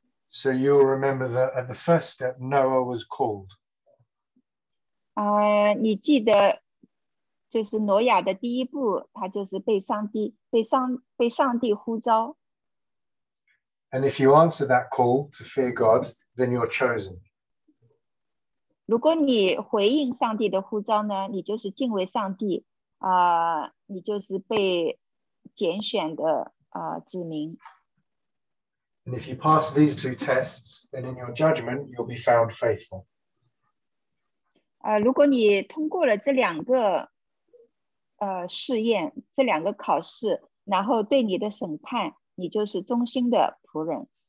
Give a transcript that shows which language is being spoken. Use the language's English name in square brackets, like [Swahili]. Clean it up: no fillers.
[English] So you'll remember that at the first step Noah was called. [Chinese] 你记得就是挪亚的第一步，他就是被上帝呼召。 [English] And if you answer that call to fear God, then you're chosen. [Chinese] 如果你回应上帝的呼召呢, 你就是敬畏上帝, 你就是被拣选的, [English] And if you pass these two tests, then in your judgment, you'll be found faithful. [Chinese] 如果你通过了这两个, 试验, 这两个考试, 然后对你的审判, 你就是忠心的仆人。